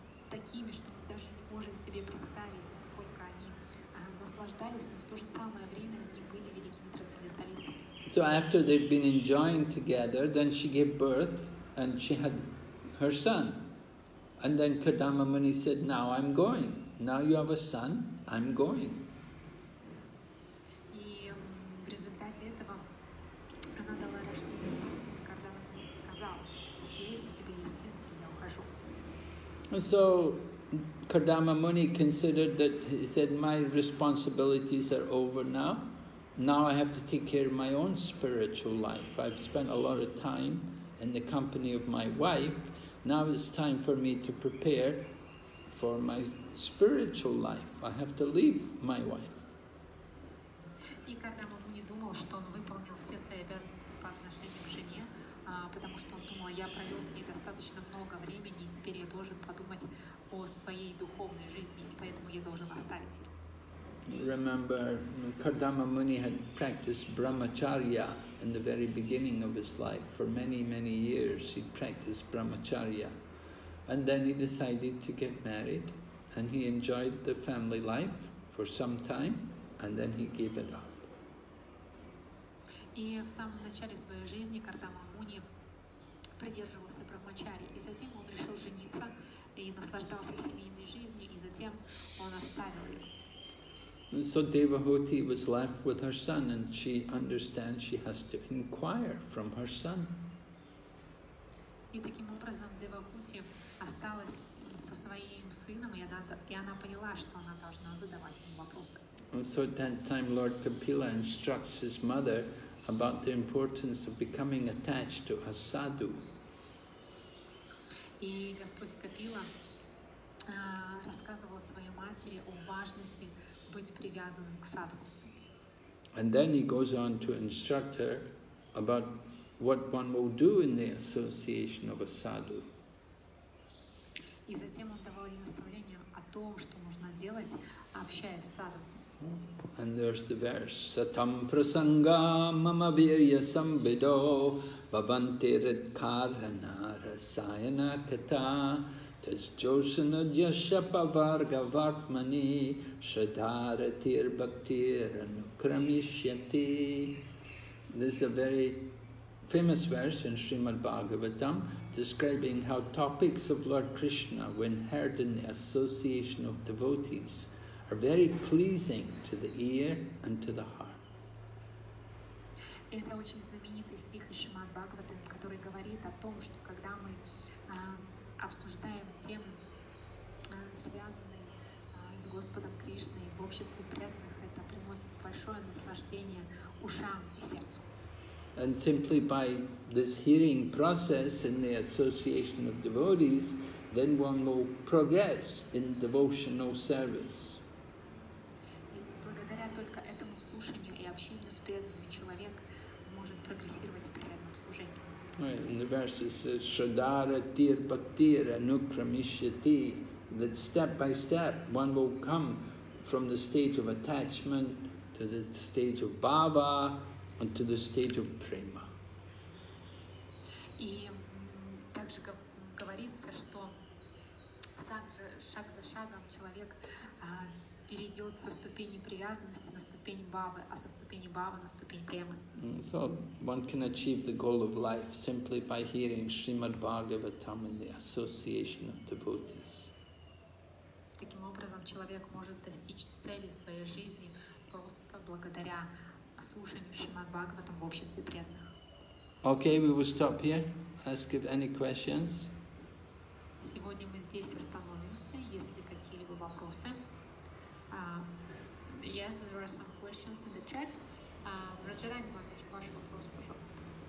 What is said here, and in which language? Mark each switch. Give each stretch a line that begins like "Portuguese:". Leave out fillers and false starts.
Russian: Такими, что мы даже не можем себе представить, насколько они наслаждались, но в то же самое время они были великими трансценденталистами.
English: So after they've been enjoying together, then she gave birth and she had her son. And then Kadama Muni said, now I'm going. Now you have a son, I'm going.
Russian: И в результате этого она дала рождение сыну, и Кардама Муни сказал, теперь у тебя есть сын.
English: And so Kardama Muni considered that, he said, my responsibilities are over now. Now I have to take care of my own spiritual life. I've spent a lot of time in the company of my wife. Now it's time for me to prepare for my spiritual life. I have to leave my wife.
Russian: И Кардама Муни думал, что он выполнил все свои обязанности по отношению к жене, потому что он думал, я провел с ней достаточно много времени, и теперь я должен подумать о своей духовной жизни, и поэтому я должен оставить ее.
English: Remember, Kardama Muni had practiced brahmacharya in the very beginning of his life. For many, many years he practiced brahmacharya. And then he decided to get married, and he enjoyed the family life for some time, and then he gave it up.
Russian: И в самом начале своей жизни Кардама Муни придерживался брахмачари, и затем он решил жениться и наслаждался семейной жизнью, и затем он оставил ее.
English: So Devahuti was left with her son, and she understands she has to inquire from her son.
Russian: И таким образом Девахути осталась со своим сыном, и она поняла, что она должна задавать ему вопросы.
English: And so at that time Lord Kapila instructs his mother about the importance of becoming attached to a sadhu.
Russian: И Господь Капила рассказывал своей матери о важности быть привязанным к садху.
English: And then he goes on to instruct her about what one will do in the association of a sadhu.
Russian: И затем он давал ей наставления о том, что нужно делать, общаясь с садху.
English: And there's the verse,
Sanskrit: Satam prasanga mama virya sambido bhavanti ritkarana rasayana kata tas josana jashapa varga vartmani shadharatir bhaktir anukramishyati.
English: This is a very famous verse in Srimad Bhagavatam describing how topics of Lord Krishna, when heard in the association of devotees, are very pleasing to the ear and to the heart.
Russian: Это очень знаменитый стих из Шримад Бхагаватам, который говорит о том, что когда мы обсуждаем темы, связанные с Господом Кришной в обществе преданных, это приносит большое наслаждение ушам и сердцу.
English: And simply by this hearing process in the association of devotees, then one will progress in devotional service.
Russian: Только этому слушанию и общению с преданными человек может прогрессировать в преданном служении.
English: In the verses,
Sanskrit: Shadara Tir Bhaktira Nukramishyati,
English: that step by step one will come from the stage of attachment to the stage of bhava and to the stage of prema.
Russian: И также говорится, что шаг за шагом человек перейдет со ступени привязанности на ступень бавы, а со ступени бавы на ступень премы.
English: So one can achieve the goal of life simply by hearing Srimad Bhagavatam in the association of devotees.
Russian: Таким образом, человек может достичь цели своей жизни просто благодаря слушанию Шримад Бхагаватам в обществе преданных.
English: Okay, we will stop here. Ask if any questions.
Russian: Сегодня мы здесь остановимся. Есть ли какие-либо вопросы?
English: Yes, there are some questions in the chat.
Russian: Раджарани Матаджи, ваш вопрос, пожалуйста.